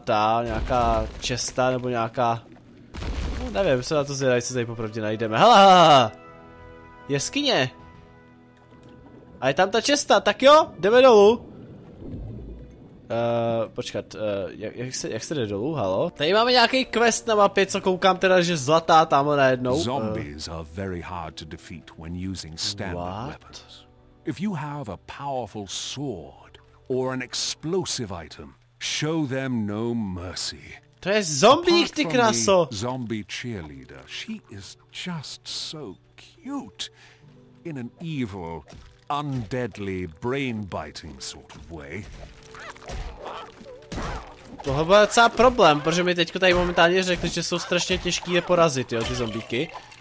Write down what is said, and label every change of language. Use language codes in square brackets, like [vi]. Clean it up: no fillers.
[cs] Ta, nějaká česta nebo nějaká... No, nevím, se na to zvědavej, co tady popravdě najdeme. Hala! Jeskyně! A je tam ta česta, tak jo, jdeme dolů. Počkat, jak se jde dolů, halo? Tady máme nějaký quest na mapě, co koukám teda, že zlatá tamhle najednou. [en] Zombies are very hard to defeat when using standard weapons. If you have a powerful sword or an explosive item, show them no mercy. [cs] To je zombie, ty kraso. [en] Zombie cheerleader, she is just so cute in an evil undeadly brain biting sort of way. [cs] Tohle bude docela problém, protože mi teďko tady momentálně řekli, že jsou strašně těžký je porazit, jo, ty zombíky.